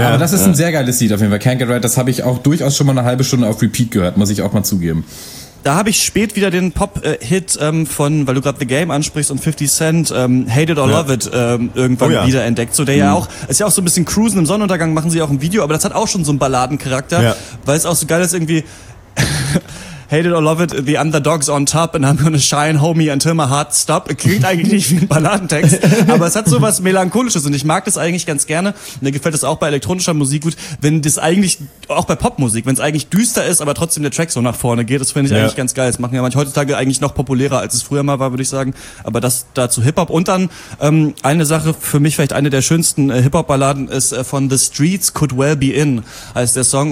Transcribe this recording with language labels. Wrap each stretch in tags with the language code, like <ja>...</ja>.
<de>Ja, aber das ist ein sehr geiles Lied auf jeden Fall. Can't Get Right, das habe ich auch durchaus schon mal eine halbe Stunde auf Repeat gehört, muss ich auch mal zugeben. Da habe ich spät wieder den Pop-Hit von, weil du gerade The Game ansprichst und 50 Cent, Hate It or Love It, irgendwann wiederentdeckt. So, der ja auch, ist ja auch so ein bisschen Cruisen im Sonnenuntergang, machen sie auch ein Video, aber das hat auch schon so einen Balladencharakter, weil es auch so geil ist, irgendwie.</de> <en>Hate it or love it, the underdog's on top and I'm gonna shine, homie, until my heart stop.</en> <de>Klingt eigentlich nicht wie ein Balladentext, aber es hat sowas Melancholisches und ich mag das eigentlich ganz gerne. Mir gefällt das auch bei elektronischer Musik gut, wenn das eigentlich, auch bei Popmusik, wenn es eigentlich düster ist, aber trotzdem der Track so nach vorne geht, das finde ich eigentlich ganz geil. Das machen ja manche heutzutage eigentlich noch populärer, als es früher mal war, würde ich sagen. Aber das dazu Hip-Hop. Und dann eine Sache, für mich vielleicht eine der schönsten Hip-Hop-Balladen ist von The Streets Could Well Be In, heißt der Song.</de>